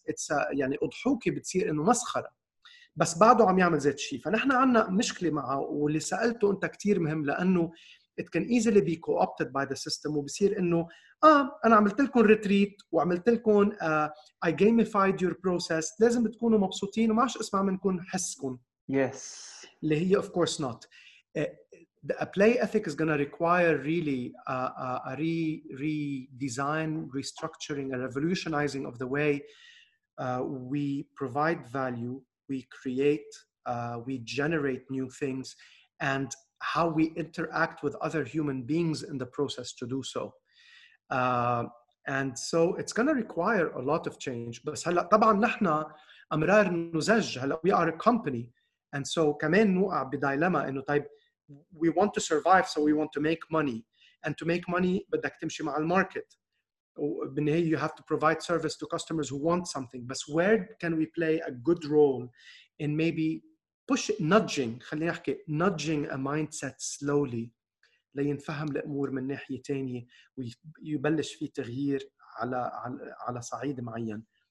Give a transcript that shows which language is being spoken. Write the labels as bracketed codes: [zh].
[en] It's a [ar] يعني أضحوكي بتصير إنه مسخرة. بس بعده عم يعمل ذات شيء فنحن عنا مشكلة معه واللي سألته أنت كتير مهم لأنه [en] it can easily be co-opted by the system [ar] وبصير أنه أنا عملت لكم retreat وعملت لكم [en] I gamified your process [ar] لازم تكونوا مبسوطين وما عش اسمع منكم حسكم [en] yes [ar] اللي هي [en] of course not a play ethic is gonna require really a redesign restructuring a revolutionizing of the way we provide value we create, we generate new things, and how we interact with other human beings in the process to do so. And so it's going to require a lot of change. [ar] بس هلا طبعا نحن أمرار نزج هلا [en] we are a company. And so [ar] كمان نوقع بديلما إنه طيب [en] we want to survive, so we want to make money. And to make money, [ar] بدك تمشي مع الماركت. [en] You have to provide service to customers who want something. But where can we play a good role in maybe push nudging, [ar] خليني أحكي, [en] nudging a mindset slowly [ar] لينفهم الأمور من ناحية تانية ويبلش فيه تغيير على صعيد معين.